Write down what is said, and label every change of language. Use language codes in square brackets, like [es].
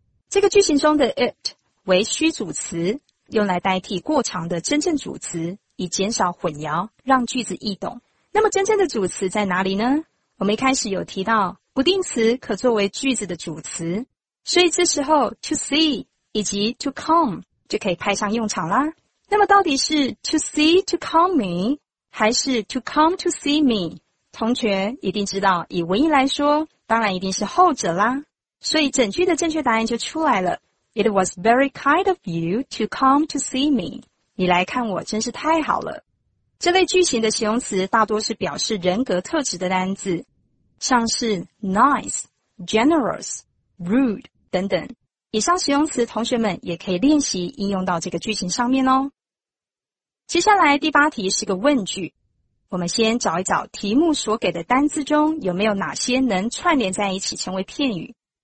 [zh] 这个句型中的 it 为虚主词，用来代替过长的真正主词，以减少混淆，让句子易懂。那么真正的主词在哪里呢？我们一开始有提到不定词可作为句子的主词，所以这时候 to see 以及 to come 就可以派上用场啦。那么到底是 to see to come me 还是 to come to see me？同学一定知道，以文意来说，当然一定是后者啦。所以整句的正确答案就出来了。 [en] It was very kind of you to come to see me. [zh] 你来看我真是太好了。这类句型的形容词大多是表示人格特质的单字，像是 nice, generous, rude 等等。以上形容词同学们也可以练习应用到这个句型上面哦。接下来第八题是个问句。我们先找一找题目所给的单字中有没有哪些能串联在一起成为片语。